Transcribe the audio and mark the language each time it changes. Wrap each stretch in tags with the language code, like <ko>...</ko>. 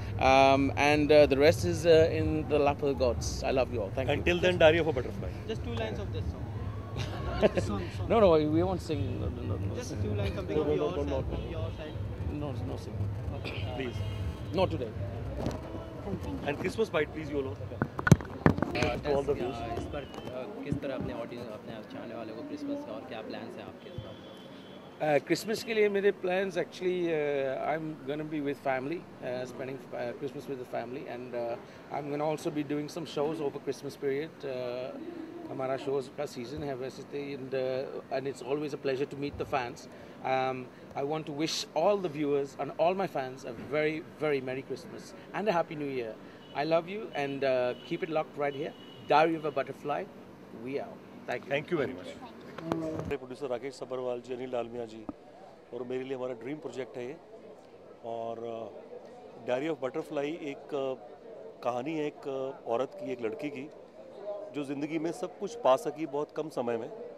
<en>And the rest is in the lap of the gods. I love you all. Thank you. Until then, Diary of a Butterfly. Just two lines of this song. No, we won't sing. No, just sing. Just two lines of your side. No, no singing. Okay, please. Not today. And Christmas bite, please, you all. Okay.</en> <hi>इस पर किस तरह अपने audience अपने चाहने वाले को Christmas का और क्या प्लान्स हैं आपके क्रिसमस के लिए. मेरे plans</hi> <en>Actually I am gonna be with family spending Christmas with the family and I am gonna also be doing some shows over Christmas period.</en> <hi>हमारा शोज का सीजन है वैसे तो</hi> <en>And it's always a pleasure to meet the fans. I want to wish all the viewers and all my fans a very very merry Christmas and a happy new year. I love you and keep it locked right here. Diary of a Butterfly, we out. Thank you. Thank you very much.</en> <hi>मेरे producer Rakesh Sabharwal जी, अनिल लालमिया जी और मेरे लिए हमारा dream project है ये. और diary of butterfly एक कहानी है एक औरत की, एक लड़की की, जो ज़िंदगी में सब कुछ पा सकी बहुत कम समय में.</hi>